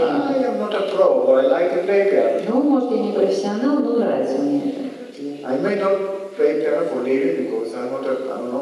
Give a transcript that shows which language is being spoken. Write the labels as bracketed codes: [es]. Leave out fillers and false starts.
[en] I am not a pro, but I like to play piano. [ru] Ну, может, я не профессионал, но нравится мне это. [en] I may not play piano for living because I'm not a pro.